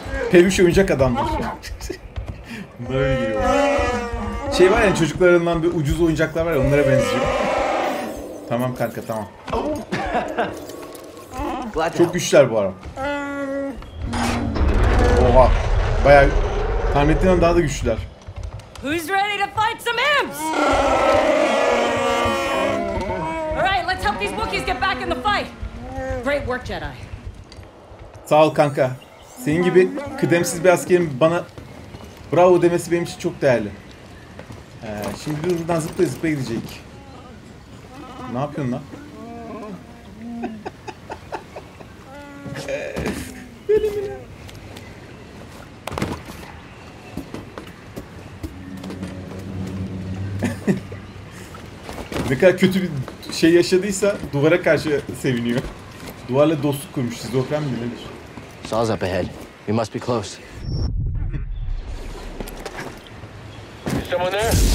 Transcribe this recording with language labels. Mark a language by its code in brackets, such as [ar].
[tr] Peviş oyuncak adamdır. Bunlar öyle geliyor. Şey var ya çocuklarından bir ucuz oyuncaklar var ya onlara benziyor. Tamam kanka tamam. Çok güçler bu arada. Oha. Bayağı tahmin ettiğinden daha da güçlüler. [en] Who's ready to fight some imps? All right, let's help these Wookiees get back in the fight. Great work, Jedi. [tr] Sağ ol kanka. Senin gibi kıdemsiz bir askerin bana bravo demesi benim için çok değerli. Şimdi buradan zıplaya zıplaya gidecek. Ne yapıyorsun lan? Ne kadar kötü bir şey yaşadıysa duvara karşı seviniyor. Duvarla dostluk kurmuş. Zofren mi nedir? [en] Saws up ahead. We must be close. Is someone there?